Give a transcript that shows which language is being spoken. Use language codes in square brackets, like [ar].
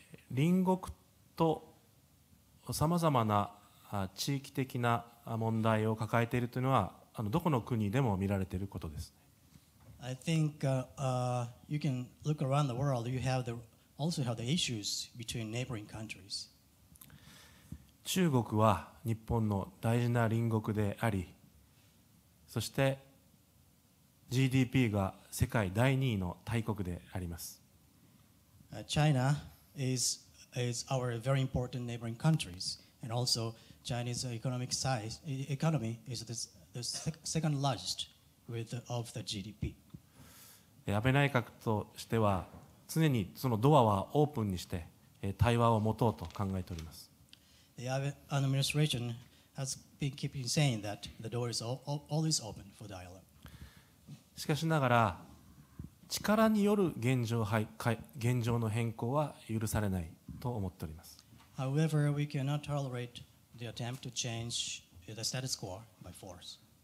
[ja] 隣国とさまざまな地域的な問題を抱えているというのはどこの国でも見られていることです。 [en] I think you can look around the world. You have the, also have the issues between neighboring countries. [ja] 中国は日本の大事な隣国であり、そして GDP が世界第2位の大国であります。 [en] China is our very important neighboring countries, and also Chinese economic size economy is the second largest with of the GDP. [ja] 安倍内閣としては常にそのドアはオープンにして対話を持とうと考えております。 [en] The administration has been keeping saying that the door is always open for dialogue. [ja] しかしながら力による現状の変更は許されないと思っております。 [en] However, we cannot tolerate the attempt to change the status quo by force.